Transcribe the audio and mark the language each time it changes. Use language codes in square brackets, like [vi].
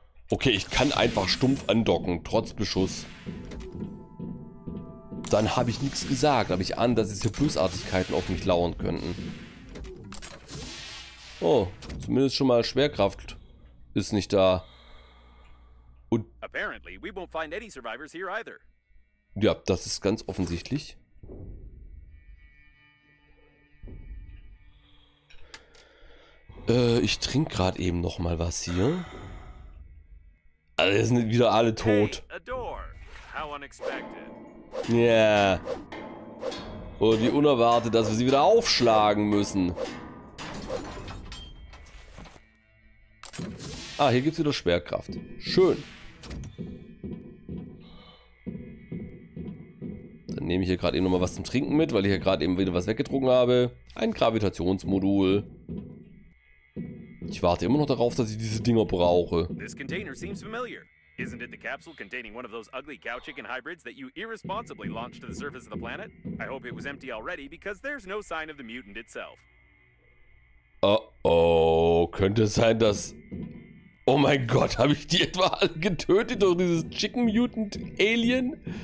[de] Okay, ich kann einfach stumpf andocken, trotz Beschuss. Dann habe ich nichts gesagt. Aber ich ahne, dass jetzt hier Bösartigkeiten auf mich lauern könnten. Oh, zumindest schon mal Schwerkraft ist nicht da. [en] Und apparently we won't find any survivors here either. [de] Ja, das ist ganz offensichtlich. Ich trinke gerade eben noch mal was hier. Also, sind wieder alle tot. [en] Hey, a door. How unexpected. Yeah. [de] Oh, wie unerwartet, dass wir sie wieder aufschlagen müssen. Ah, hier gibt es wieder Schwerkraft. Schön. Dann nehme ich hier gerade eben noch mal was zum Trinken mit, weil ich hier gerade eben wieder was weggetrunken habe. Ein Gravitationsmodul. Ich warte immer noch darauf, dass ich diese Dinger brauche. [en] This container seems familiar. Isn't it the capsule containing one of those ugly cow chicken hybrids that you irresponsibly launched to the surface of the planet? I hope it was empty already, because there's no sign of the mutant itself. [de] Oh, könnte sein, dass... Oh mein Gott, habe ich die etwa alle getötet durch dieses Chicken Mutant Alien?